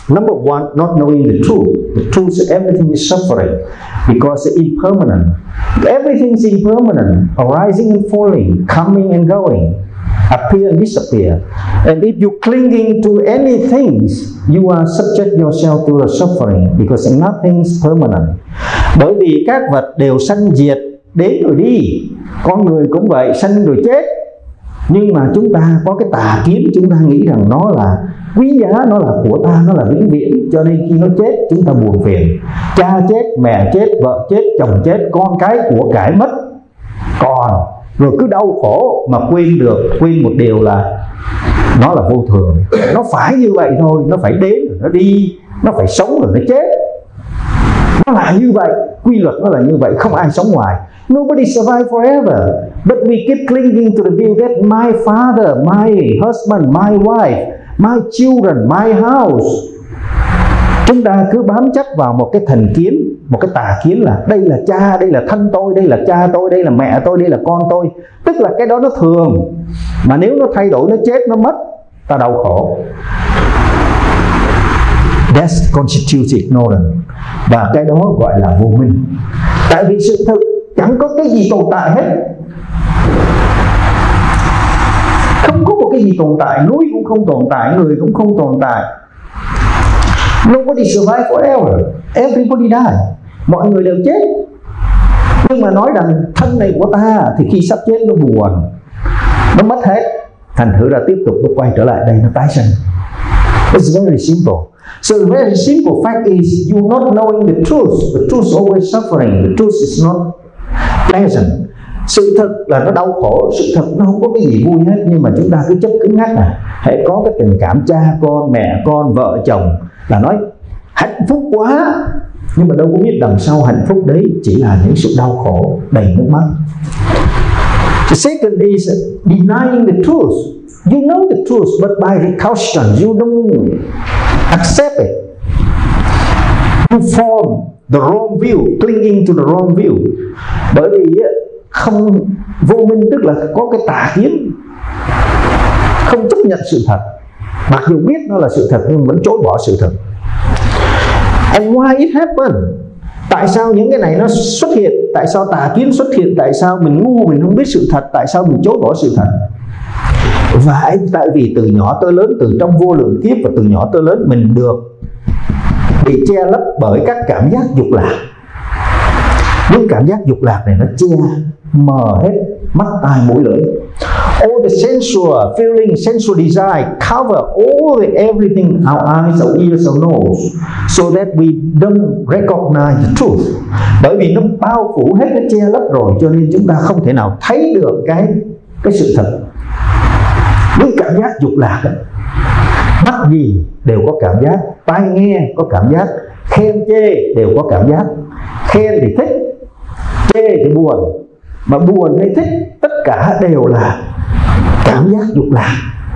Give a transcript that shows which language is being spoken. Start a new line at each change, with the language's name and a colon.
English: Number one, not knowing the truth. The truth, everything is suffering because it's impermanent. Everything's impermanent, arising and falling, coming and going, appear and disappear. And if you clinging to any things, you are subject yourself to the suffering because nothing's permanent.
Vietnamese: Bởi vì các vật đều sanh diệt, đến rồi đi. Con người cũng vậy, sanh rồi chết. Nhưng mà chúng ta có cái tà kiến, chúng ta nghĩ rằng nó là quý giá, nó là của ta, nó là vĩnh viễn. Cho nên khi nó chết, chúng ta buồn phiền. Cha chết, mẹ chết, vợ chết, chồng chết, con cái của cải mất. Còn rồi cứ đau khổ mà quên được, quên một điều là nó là vô thường. Nó phải như vậy thôi, nó phải đến rồi nó đi, nó phải sống rồi nó chết. Nó là như vậy, quy luật nó là như vậy, không ai sống ngoài.
English: Nobody survive forever, but we keep clinging to the view that my father, my husband, my wife, my children, my house.
Vietnamese: Chúng ta cứ bám chắc vào một cái thành kiến, một cái tà kiến là đây là cha, đây là thân tôi, đây là cha tôi, đây là mẹ tôi, đây là con tôi. Tức là cái đó nó thường, mà nếu nó thay đổi, nó chết, nó mất, ta đau khổ.
English: That's constitutes ignorance.
Vietnamese: Và cái đó gọi là vô minh. Tại vì sự thật chẳng có cái gì tồn tại hết. Không có một cái gì tồn tại. Núi cũng không tồn tại, người cũng không tồn tại.
English: Nobody survive forever. Everybody die.
Vietnamese: Mọi người đều chết. Nhưng mà nói rằng thân này của ta thì khi sắp chết nó buồn, nó mất hết. Thành thử ra tiếp tục nó quay trở lại đây, nó tái sinh.
English: It's very simple. So the very simple fact is you not knowing the truth. The truth is always suffering. The truth is not pleasant.
Vietnamese: Sự thật là nó đau khổ. Sự thật nó không có cái gì vui hết. Nhưng mà chúng ta cứ chấp cứng ngắc à. Hãy có cái tình cảm cha con, mẹ con, vợ chồng là nói hạnh phúc quá. Nhưng mà đâu có biết đằng sau hạnh phúc đấy chỉ là những sự đau khổ đầy nước mắt.
English: The second is denying the truth. You know the truth, but by recalcitrance, you don't accept it. You form the wrong view, clinging to the wrong view.
Vietnamese: Bởi vì không vô minh tức là có cái tà kiến, không chấp nhận sự thật. Mặc dù biết nó là sự thật nhưng vẫn chối bỏ sự thật.
English: And why it happened?
Vietnamese: Tại sao những cái này nó xuất hiện? Tại sao tà kiến xuất hiện? Tại sao mình ngu, mình không biết sự thật? Tại sao mình chối bỏ sự thật? Và tại vì từ nhỏ tới lớn, từ trong vô lượng kiếp và từ nhỏ tới lớn, mình được bị che lấp bởi các cảm giác dục lạc. Những cảm giác dục lạc này nó che mờ hết mắt tai mũi lưỡi.
English: All the sensual feeling, sensual desire cover all the everything our eyes, our ears, our nose, so that we don't recognize the truth.
Vietnamese: Bởi vì nó bao phủ hết, nó che lấp rồi, cho nên chúng ta không thể nào thấy được cái sự thật. Những cảm giác dục lạc, mắt gì đều có cảm giác, tai nghe có cảm giác, khen chê đều có cảm giác. Khen thì thích, chê thì buồn, mà buồn hay thích tất cả đều là cảm giác dục lạc.